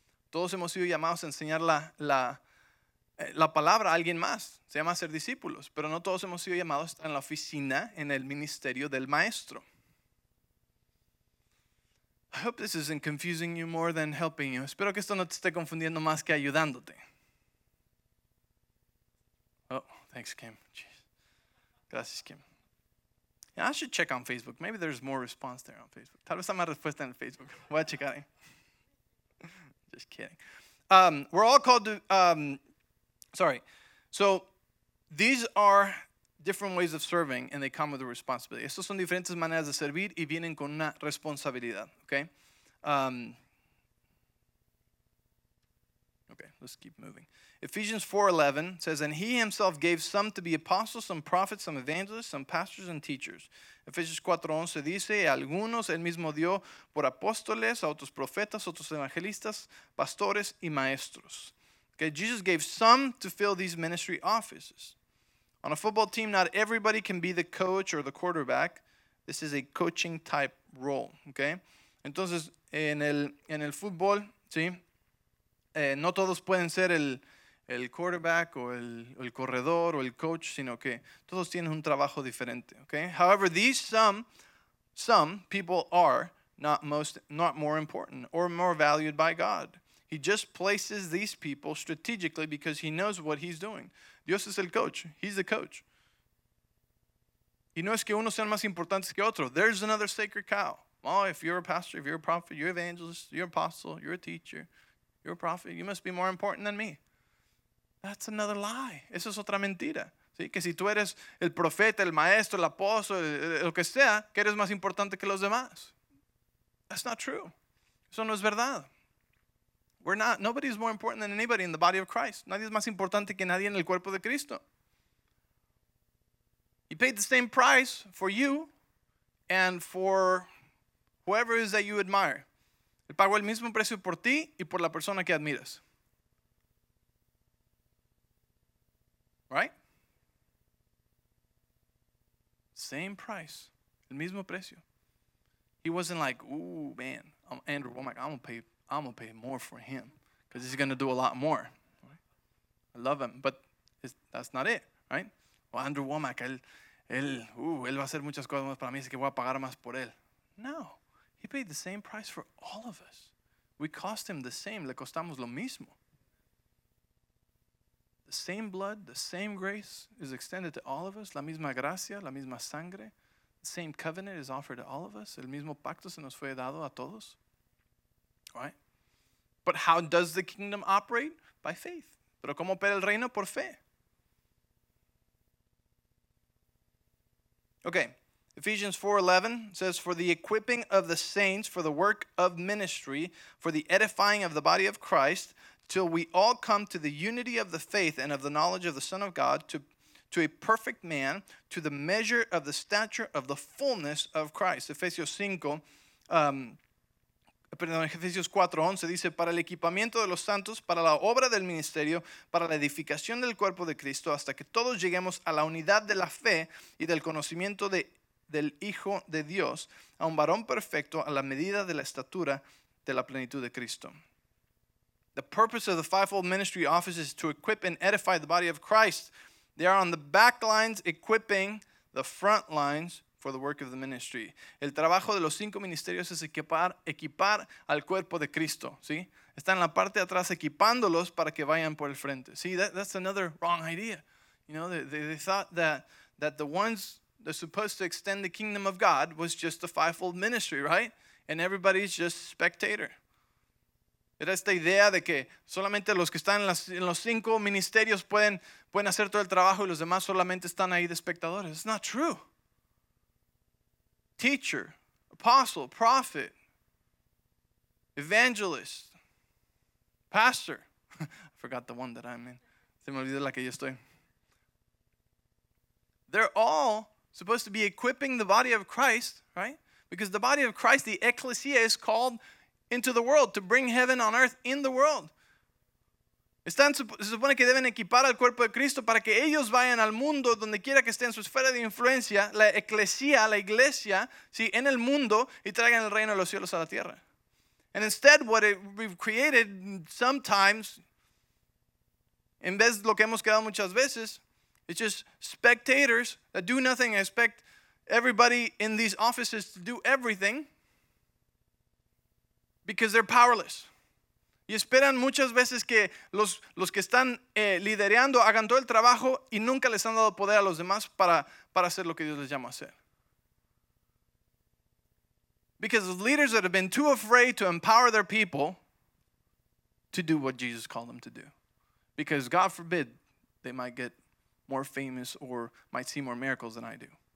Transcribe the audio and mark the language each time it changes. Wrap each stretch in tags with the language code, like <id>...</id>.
<es>Todos hemos sido llamados a enseñar la palabra a alguien más. Se llama ser discípulos. Pero no todos hemos sido llamados a estar en la oficina, en el ministerio del maestro.</es> <en>I hope this isn't confusing you more than helping you.</en> <es>Espero que esto no te esté confundiendo más que ayudándote.</es> <en>Oh, thanks, Kim. Jeez.</en> <es>Gracias, Kim.</es> <en>Yeah, I should check on Facebook. Maybe there's more response there on Facebook.</en> <es>Tal vez hay más respuesta en Facebook. Voy a checar.</es> <en>Just kidding. We're all called to... So these are different ways of serving, and they come with a responsibility.</en> <es>Estos son diferentes maneras de servir y vienen con una responsabilidad.</es> <en>Okay. Okay. Let's keep moving. Ephesians 4:11 says, "And he himself gave some to be apostles, some prophets, some evangelists, some pastors and teachers."</en> <es>Ephesians 4:11 dice, "Algunos él mismo dio por apóstoles, a otros profetas, otros evangelistas, pastores y maestros."</es> <en>Okay. Jesus gave some to fill these ministry offices. On a football team, not everybody can be the coach or the quarterback. This is a coaching type role, okay?</en> <es>Entonces, en el fútbol, ¿sí? No todos pueden ser el quarterback o el corredor o el coach, sino que todos tienen un trabajo diferente, okay?</es> <en>However, these some people are not more important or more valued by God. He just places these people strategically because he knows what he's doing.</en> <es>Dios es el coach.</es> <en>He's the coach.</en> <es>Y no es que unos sean más importantes que otros.</es> <en>There's another sacred cow. Oh, if you're a pastor, if you're a prophet, you're an evangelist, you're an apostle, you're a teacher, you're a prophet, you must be more important than me. That's another lie.</en> <es>Eso es otra mentira. ¿Sí? Que si tú eres el profeta, el maestro, el apóstol, lo que sea, que eres más importante que los demás.</es> <en>That's not true.</en> <es>Eso no es verdad.</es> <en>We're not, nobody is more important than anybody in the body of Christ.</en> <es>Nadie es más importante que nadie en el cuerpo de Cristo.</es> <en>He paid the same price for you and for whoever it is that you admire.</en> <es>Él pagó el mismo precio por ti y por la persona que admiras.</es> <en>Right? Same price.</en> <es>El mismo precio.</es> <en>He wasn't like, "Ooh, man, I'm Andrew Womack, I'm going to pay more for him because he's going to do a lot more." I love him, but that's not it, right?</en> <es>Well, Andrew Womack, él va a hacer muchas cosas más para mí, así que voy a pagar más por él.</es> <en>No, he paid the same price for all of us. We cost him the same,</en> <es>le costamos lo mismo.</es> <en>The same blood, the same grace is extended to all of us.</en> <es>La misma gracia, la misma sangre.</es> <en>The same covenant is offered to all of us.</en> <es>El mismo pacto se nos fue dado a todos.</es> <en>Right? But how does the kingdom operate? By faith.</en> <es>Pero ¿cómo opera el reino? Por fe.</es> <en>Okay. Ephesians 4:11 says, "For the equipping of the saints for the work of ministry, for the edifying of the body of Christ, till we all come to the unity of the faith and of the knowledge of the Son of God, to a perfect man, to the measure of the stature of the fullness of Christ."</en> <es>Ephesians 4:11 dice, "Para el equipamiento de los santos, para la obra del ministerio, para la edificación del cuerpo de Cristo, hasta que todos lleguemos a la unidad de la fe y del conocimiento del Hijo de Dios, a un varón perfecto, a la medida de la estatura de la plenitud de Cristo."</es> <en>The purpose of the fivefold ministry office is to equip and edify the body of Christ. They are on the back lines equipping the front lines for the work of the ministry.</en> <es>El trabajo de los cinco ministerios es equipar al cuerpo de Cristo, ¿sí? Está en la parte de atrás equipándolos para que vayan por el frente.</es> <en>See, that's another wrong idea. You know, they thought that the ones that are supposed to extend the kingdom of God was just the fivefold ministry, right? And everybody's just spectator.</en> <es>Era esta idea de que solamente los que están en los cinco ministerios pueden hacer todo el trabajo y los demás solamente están ahí de espectadores.</es> <en>It's not true. Teacher, apostle, prophet, evangelist, pastor. I forgot the one that I'm in.</en> <es>Se me olvidó la que yo estoy.</es> <en>They're all supposed to be equipping the body of Christ, right? Because the body of Christ, the ecclesia, is called into the world, to bring heaven on earth in the world.</en> <es>Se supone que deben equipar al cuerpo de Cristo para que ellos vayan al mundo, donde quiera que estén, su esfera de influencia, la eclesia, la iglesia, sí, en el mundo, y traigan el reino de los cielos a la tierra.</es> <en>And instead, we've created sometimes,</en> <es>en vez de lo que hemos quedado muchas veces,</es> <en>it's just spectators that do nothing and expect everybody in these offices to do everything, because they're powerless.</en> <es>Y esperan muchas veces que los que están liderando hagan todo el trabajo y nunca les han dado poder a los demás para hacer lo que Dios les llama a hacer.</es> <en>Because the leaders that have been too afraid to empower their people to do what Jesus called them to do. Because God forbid they might get more famous or might see more miracles than I do.</en>